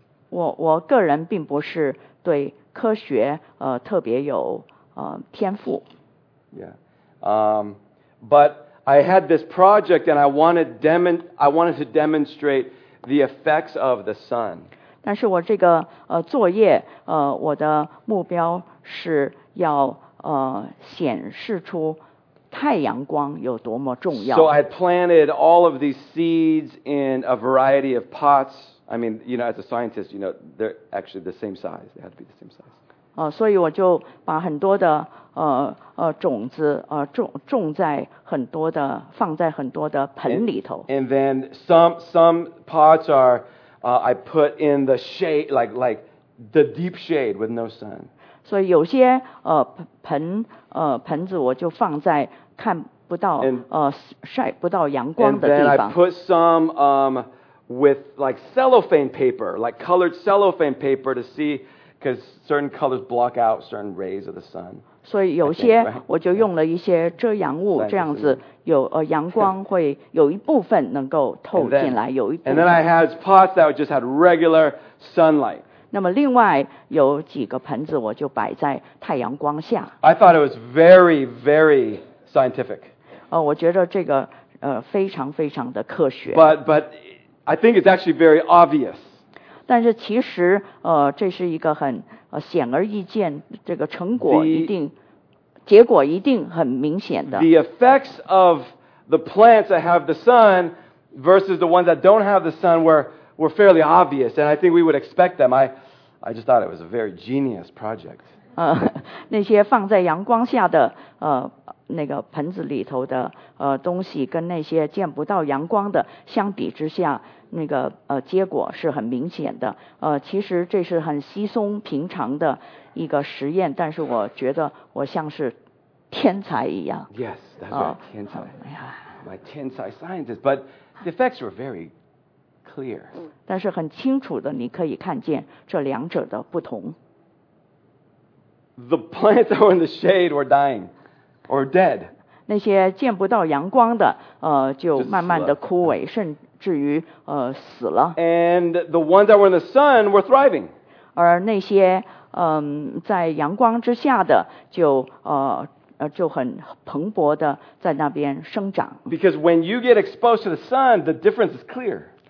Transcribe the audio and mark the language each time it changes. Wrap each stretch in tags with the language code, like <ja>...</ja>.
<zh>我个人并不是对科学特别有天赋。</zh> <en>Yeah. But I had this project and I wanted to demonstrate the effects of the sun.</en> <zh>但是我这个作业我的目标是要显示出太阳光有多么重要。</zh> <en>So I planted all of these seeds in a variety of pots. I mean, you know, as a scientist, you know, they're actually the same size. They have to be the same size.</en> <zh>所以我就把很多的种子种在很多的放在很多的盆里头。</zh> <en>And then some pots are I put in the shade, like the deep shade with no sun.</en> <zh>所以有些盆子我就放在看不到</zh> <en>and,</en> <zh>晒不到阳光的地方。</zh> <en>And then I put some with like cellophane paper, like colored cellophane paper to see, because certain colors block out certain rays of the sun.</en> <zh>所以有些我就用了一些遮阳物，这样子有阳光会有一部分能够透进来，有一部分。</zh> <en>And then I had pots that just had regular sunlight.</en> <zh>那么另外有几个盆子我就摆在太阳光下。</zh> <en>I thought it was very, very scientific.</en> <zh>我觉得这个非常非常的科学。</zh> <en>But I think it's actually very obvious.</en> <zh>但是其实这是一个很显而易见，这个成果一定，结果一定很明显的。</zh> <en>The effects of the plants that have the sun versus the ones that don't have the sun were fairly obvious, and I think we would expect them. I just thought it was a very genius project.</en> <zh>那些放在阳光下的那个盆子里头的东西跟那些见不到阳光的相比之下，那个结果是很明显的。其实这是很稀松平常的一个实验，但是我觉得我像是天才一样。</zh> <en>Yes, that's right, 天才。 My 天才 scientist, but the effects were very clear.</en> <zh>但是很清楚的，你可以看见这两者的不同。</zh> <en>The plants that were in the shade were dying, or dead.</en> <zh>那些见不到阳光的，就慢慢的枯萎，甚至于死了。</zh> <en>And the ones that were in the sun were thriving.</en> <zh>而那些在阳光之下的，就很蓬勃的在那边生长。</zh> <en>Because when you get exposed to the sun, the difference is clear.</en>